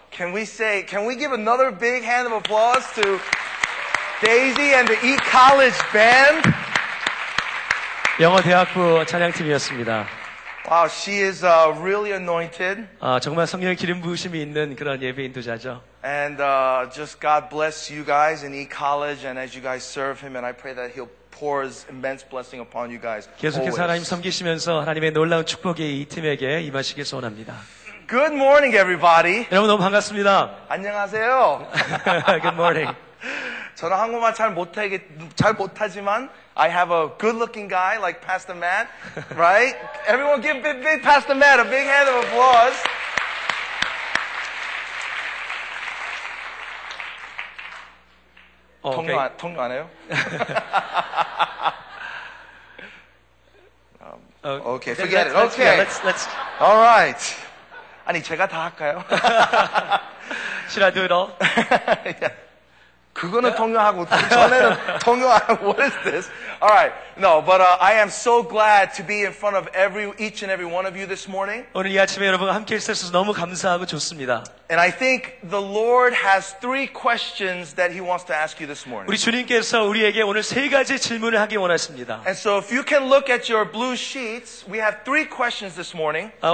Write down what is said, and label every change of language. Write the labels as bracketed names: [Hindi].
[English] Can we give another big hand of applause to Daisy and the E College Band? [Korean] 영어 대학부 찬양팀이었습니다. [English] Wow, she is really anointed. [Korean] 아, 정말 성령의 기름 부으심이 있는 그런 예배 인도자죠. [English] And just God bless you guys in E College and as you guys serve him and I pray that he'll pour his immense blessing upon you guys. [Korean] 계속해서 하나님 섬기시면서 하나님의 놀라운 축복이 이 팀에게 임하시길 소원합니다. [English] Good morning, everybody. [Korean] 여러분 너무 반갑습니다. 안녕하세요. [English] Good morning. [Korean] 저는 한국말 잘 못하지만 [English] I have a good-looking guy like Pastor Matt, right? Everyone give big Pastor Matt a big hand of applause. [Korean] Okay. 통도 안 해요? [English] okay, forget let's, it. Okay. Yeah, let's. [Korean] All right. 아니 제가 다 할까요? [English] Should I do it all? [Korean] 그거는 통역하고 전에는 통역하고 [English] What is this? All right. No, but I am so glad to be in front of each and every one of you this morning. [Korean] 오늘 이 아침에 여러분과 함께 있어서 너무 감사하고 좋습니다. [English] And I think the Lord has three questions that He wants to ask you this morning. [Korean] 우리 주님께서 우리에게 오늘 세 가지 질문을 하기 원하십니다. [English] And so if you can look at your blue sheets, we have three questions this morning.